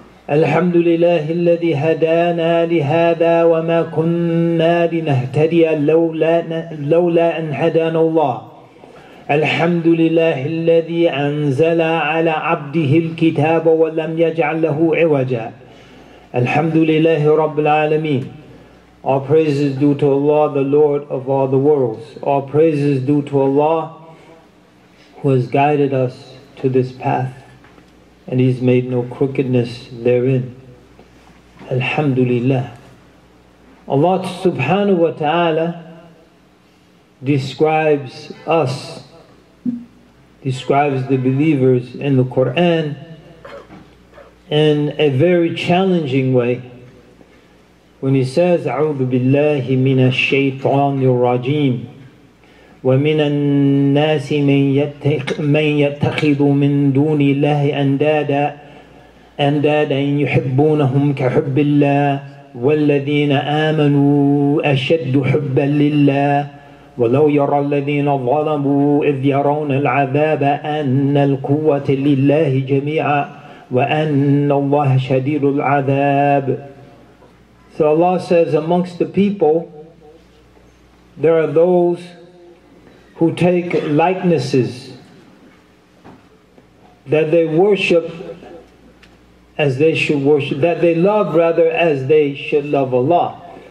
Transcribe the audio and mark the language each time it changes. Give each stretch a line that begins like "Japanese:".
Arabic: الحمد لله الذي هدانا لهذا وما كنا لنهتدي لولا أن هدانا الله. الحمد لله الذي أنزل على عبده الكتاب ولم يجعل له عوجا. الحمد لله رب العالمين.
English: All praises due to Allah, the Lord of all the worlds. All praises due to Allah, who has guided us to this path, and He's made no crookedness therein.
Arabic: الحمد لله.
English: Allah subhanahu wa ta'ala describes the believers in the Quran in a very challenging way when he says,
Arabic: أعوذ بالله من الشيطان الرجيم ومن الناس من يتخذ من دون الله أندادا يحبونهم كحب الله والذين آمنوا أشد حبا لله ولو يرى الذين ظلموا إذ يرون العذاب أن القوة لله جميعا وأن الله شديد العذاب.
English: So Allah says, amongst the people, there are those who take likenesses that they worship as they should worship, that they love rather as they should love Allah.